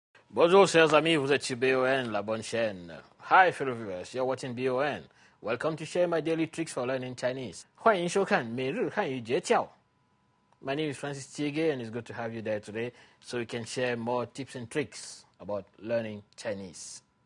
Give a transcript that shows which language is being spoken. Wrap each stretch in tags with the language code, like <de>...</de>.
<fr>Bonjour, chers amis, vous êtes sur BON, la bonne chaîne.</fr> <en>Hi, fellow viewers, you're watching BON. Welcome to share my daily tricks for learning Chinese.</en> <zh>欢迎收看每日汉语诀窍。</zh> <en>My name is Francis Tchiégué, and it's good to have you there today so we can share more tips and tricks about learning Chinese.</en>